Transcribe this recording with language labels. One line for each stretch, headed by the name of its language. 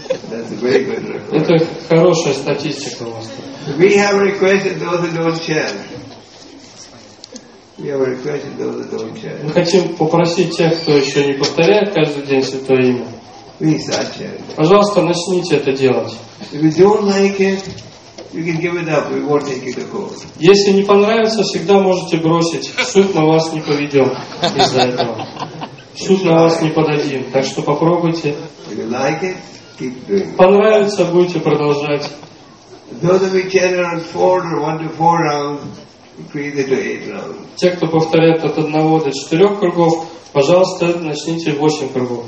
English: That's a very good record.
Russian: Это хорошая статистика у вас.
English: We have requested those that don't chant. We have requested those that don't chant.
Russian: Мы хотим попросить тех, кто еще не повторяет каждый день святое имя.
English: We start chanting.
Russian: Пожалуйста, начните это делать.
English: If you don't like it, you can give it up. We won't take you to court.
Russian: Если не понравится, всегда можете бросить. Суд на вас не поведем из-за этого. Суд на вас не подадим. Так что попробуйте.
English: If you like it, keep doing it.
Russian: Понравится, будете продолжать.
English: Those of you chant around 4 or 1 to 4 rounds, increase it to 8 rounds.
Russian: Те, кто повторяет от 1 до 4 кругов, пожалуйста, начните 8 кругов